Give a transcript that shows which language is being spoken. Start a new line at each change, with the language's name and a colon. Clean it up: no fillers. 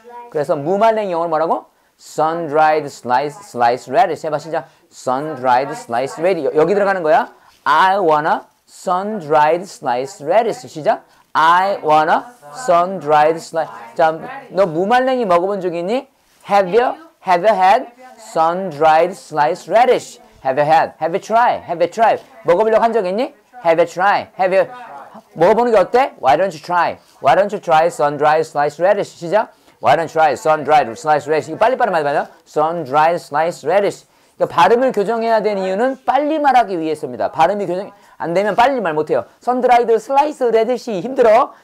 Korean: 그래서 무말랭이 영어로 뭐라고?
English: Sun-dried slice radish. 해봐, 시작. Sun-dried slice radish.
Korean: 여기 들어가는 거야.
English: I wanna sun-dried slice radish. 시작. I wanna sun-dried slice.
Korean: 자, 너 무말랭이 먹어본 적 있니?
English: Have you had sun-dried slice radish? Have you had? Have you tried? Have you tried?
Korean: 먹어보려고 한 적 있니?
English: Have you tried? Have you?
Korean: 먹어보는 게 어때?
English: Why don't you try? Why don't you try sun-dried sliced radish?
Korean: 시작.
English: Why don't you try sun-dried sliced radish?
Korean: 이거 빨리 말해봐요. 빨리
English: sun-dried sliced radish.
Korean: 그러니까 발음을 교정해야 되는 이유는 빨리 말하기 위해서입니다. 발음이 교정 안 되면 빨리 말 못해요.
English: Sun-dried sliced radish 힘들어.